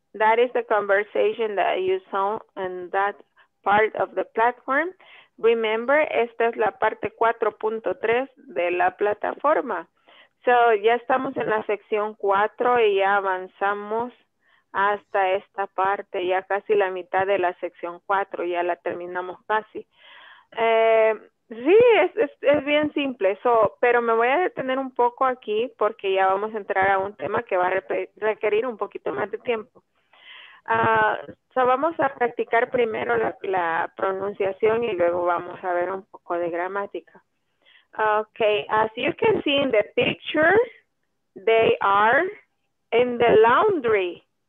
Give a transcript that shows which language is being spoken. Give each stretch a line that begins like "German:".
English: That is the conversation that you saw in that part of the platform.
Spanish: Remember, esta es la parte 4.3 de la plataforma. So, ya estamos en la sección 4 y ya avanzamos hasta esta parte, ya casi la mitad de la sección 4, ya la terminamos casi. Sí, es bien simple, pero me voy a detener un poco aquí porque ya vamos a entrar a un tema que va a requerir un poquito más de tiempo. Vamos a practicar primero la pronunciación y luego vamos a ver un poco de gramática.
English: Okay, as you can see in the picture, they are in the laundry.